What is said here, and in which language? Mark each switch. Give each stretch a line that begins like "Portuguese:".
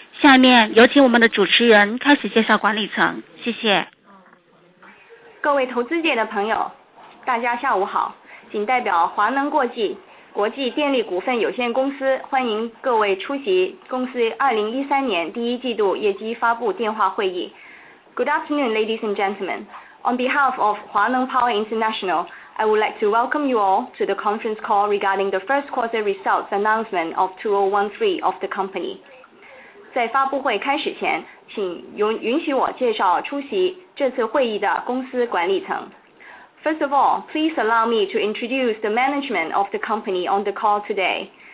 Chinese: 下面有请我们的主持人开始介绍管理层，谢谢。各位投资界的朋友，大家下午好，仅代表华能国际电力股份有限公司欢迎各位出席公司2013年第一季度业绩发布电话会议。
English: Good afternoon, ladies and gentlemen. On behalf of Huaneng Power International, I would like to welcome you all to the conference call regarding the first quarter results announcement of 2013 of the company.
Chinese: 在发布会开始前，请允许我介绍出席这次会议的公司管理层。
English: First of all, please allow me to introduce the management of the company on the call today.